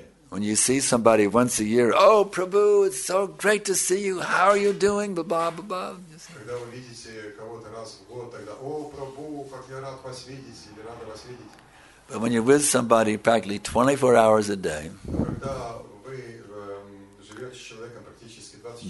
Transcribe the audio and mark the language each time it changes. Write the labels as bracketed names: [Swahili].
[English] When you see somebody once a year, oh Prabhu, it's so great to see you. How are you doing? Blah blah blah blah. You see. [Russian] Когда вы видите кого-то раз в год, тогда, о Прабу, как я рад вас видеть, или рада вас видеть. [English] But when you're with somebody practically 24 hours a day, [Russian] когда вы живете с человеком практически 24